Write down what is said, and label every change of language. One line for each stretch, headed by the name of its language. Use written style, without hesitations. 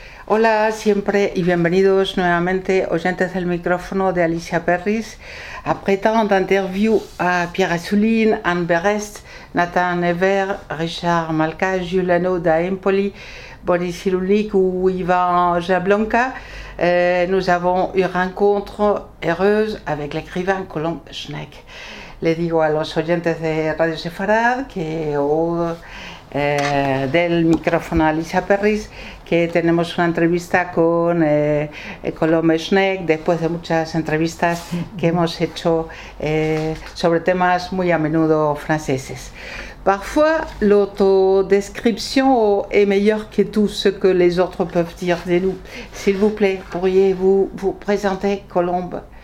Spanish: Hola, siempre y bienvenidos nuevamente, oyentes del micrófono de Alicia Perris.
French: Après tant d'interviews à Pierre Assouline, Anne Berest, Nathan Ever, Richard Malka, Jules Hano, Daim Poli, Boris Cyrulnik ou Ivan Jablonka, nous avons eu une rencontre heureuse avec l'écrivain Colomb Schneck.
Spanish: Les digo a los oyentes de Radio Sefarad que del micrófono a Alicia Perris que tenemos una entrevista con Colomb Schneck después de muchas entrevistas que hemos hecho sobre temas muy a menudo franceses.
French: Parfois, l'autodescription est meilleure que tout ce que les autres peuvent dire de nous. S'il vous plaît, pourriez-vous vous présenter, Colomb?